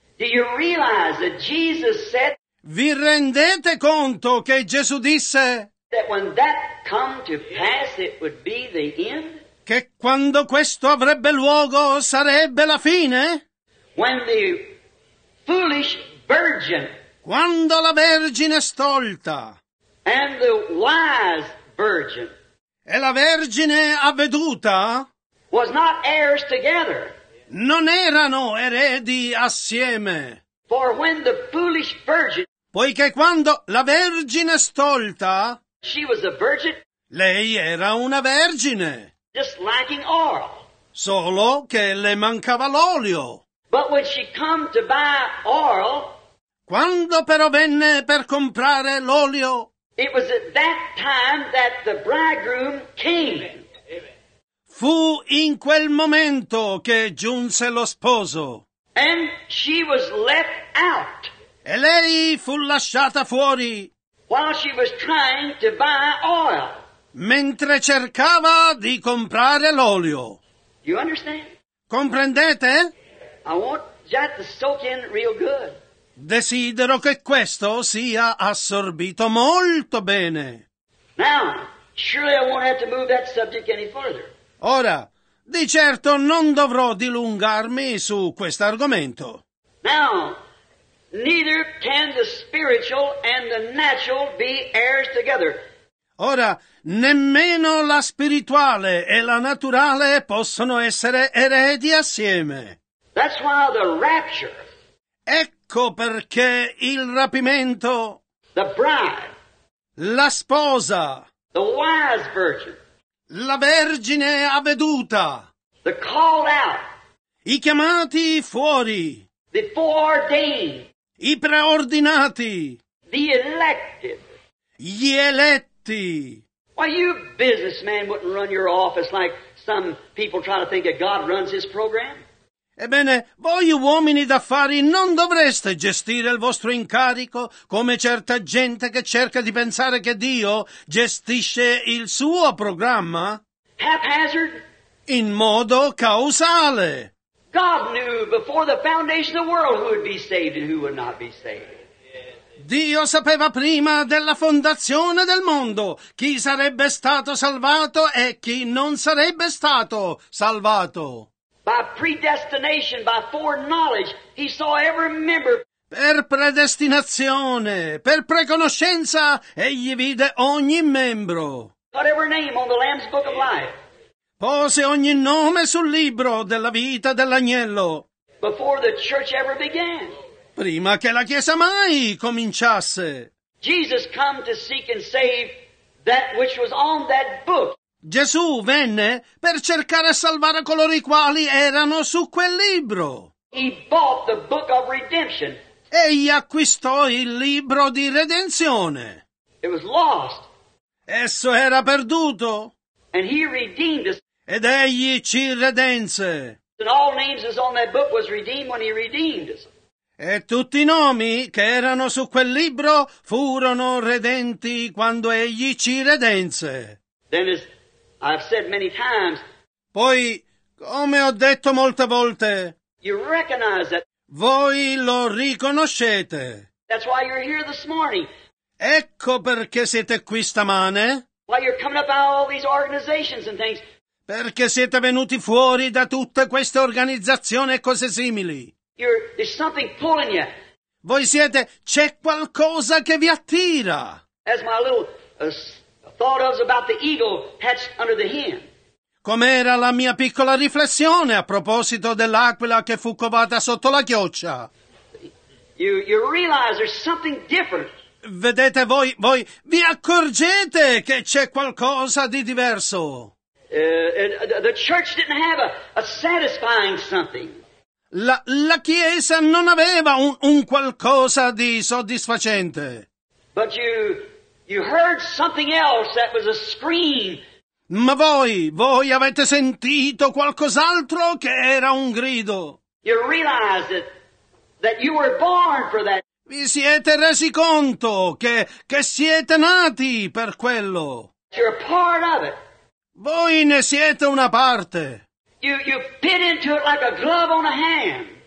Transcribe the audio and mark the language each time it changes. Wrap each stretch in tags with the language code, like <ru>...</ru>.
<en>Do you realize that Jesus said.</en> <it>Vi rendete conto che Gesù disse.</it> <en>That when that come to pass, it would be the end?</en> <it>Che quando questo avrebbe luogo sarebbe la fine?</it> <en>When the foolish virgin,</en> <it>quando la vergine stolta,</it> <en>and the wise virgin,</en> <it>e la vergine avveduta,</it> <en>was not heirs together,</en> <it>non erano eredi assieme.</it> <en>For when the foolish virgin,</en> <it>poiché quando la vergine stolta,</it> <en>she was a virgin.</en> <it>Lei era una vergine.</it> <en>Just lacking oil.</en> <it>Solo che le mancava l'olio.</it> <en>But when she come to buy oil,</en> <it>quando però venne per comprare l'olio,</it> <en>it was at that time that the bridegroom came. Amen.</en> <it>Fu in quel momento che giunse lo sposo.</it> <en>And she was left out.</en> <it>E lei fu lasciata fuori.</it> <en>While she was trying to buy oil.</en> <it>Mentre cercava di comprare l'olio.</it> <en>You understand?</en> <it>Comprendete?</it> <en>I want that to soak in real good.</en> <it>Desidero che questo sia assorbito molto bene.</it> <en>Now, surely I won't have to move that subject any further.</en> <it>Ora, di certo non dovrò dilungarmi su questo argomento.</it> <en>Now, neither can the spiritual and the natural be heirs together.</en> <it>Ora, nemmeno la spirituale e la naturale possono essere eredi assieme.</it> <en>That's why the rapture.</en> <it>Ecco perché il rapimento.</it> <en>The bride.</en> <it>La sposa.</it> <en>The wise virgin.</en> <it>La vergine avveduta.</it> <en>The called out.</en> <it>I chiamati fuori.</it> <en>The foreordained.</en> <it>I preordinati.</it> <en>The elected.</en> <it>Gli eletti.</it> <en>Why, you businessman wouldn't run your office like some people try to think that God runs his program.</en> <it>Ebbene, voi uomini d'affari non dovreste gestire il vostro incarico come certa gente che cerca di pensare che Dio gestisce il suo programma.</it> <en>Haphazard.</en> <it>In modo causale.</it> <en>God knew before the foundation of the world who would be saved and who would not be saved.</en> <it>Dio sapeva prima della fondazione del mondo chi sarebbe stato salvato e chi non sarebbe stato salvato.</it> <en>By predestination, by foreknowledge, he saw every member.</en> <it>Per predestinazione, per preconoscenza, egli vide ogni membro.</it> <en>Put every name on the Lamb's Book of Life.</en> <it>Pose ogni nome sul libro della vita dell'agnello.</it> <en>Before the church ever began.</en> <it>Prima che la chiesa mai cominciasse.</it> <en>Jesus come to seek and save that which was on that book.</en> <it>Gesù venne per cercare e salvare coloro i quali erano su quel libro.</it> <en>He bought the book of redemption.</en> <it>Egli acquistò il libro di redenzione.</it> <en>It was lost.</en> <it>Esso era perduto.</it> <en>And he redeemed us.</en> <it>Ed egli ci redense.</it> <en>And all names is on that book was redeemed when he redeemed us.</en> <it>E tutti i nomi che erano su quel libro furono redenti quando egli ci redense.</it> <en>Then as I've said many times.</en> <it>Poi, come ho detto molte volte.</it> <en>You recognize that.</en> <it>Voi lo riconoscete.</it> <en>That's why you're here this morning.</en> <it>Ecco perché siete qui stamane.</it> <en>While you're coming up out of all these organizations and things.</en> <it>Perché siete venuti fuori da tutte queste organizzazioni e cose simili.</it> <en>There's something pulling you.</en> <it>Voi siete, c'è qualcosa che vi attira.</it> <en>As my little thought of about the eagle hatched under the hen.</en> <it>Com'era la mia piccola riflessione a proposito dell'aquila che fu covata sotto la chioccia?</it> <en>You realize there's something different.</en> <it>Vedete voi vi accorgete che c'è qualcosa di diverso.</it> <en>The church didn't have a satisfying something.</en> <it>La chiesa non aveva un qualcosa di soddisfacente.</it> <en>But you heard something else that was a scream.</en> <it>Ma voi avete sentito qualcos'altro che era un grido.</it> <en>You realized that you were born for that.</en> <it>Vi siete resi conto che siete nati per quello.</it> <en>You're a part of it.</en> <it>Voi ne siete una parte.</it> <en>You fit into it like a glove on a hand.</en>